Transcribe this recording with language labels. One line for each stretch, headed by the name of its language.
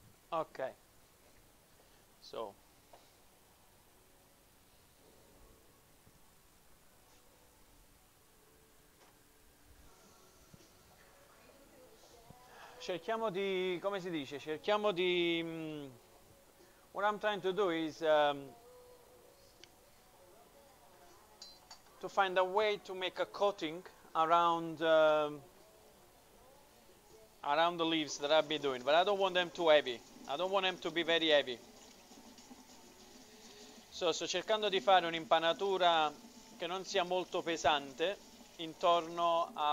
Italian: Ok, so cerchiamo di, come si dice, cerchiamo di.
English: What I'm trying to do is to find a way to make a coating around the leaves that I've been doing, but I don't want them too heavy. I don't want them to be very heavy.
Italian: So, sto cercando di fare un'impanatura che non sia molto pesante intorno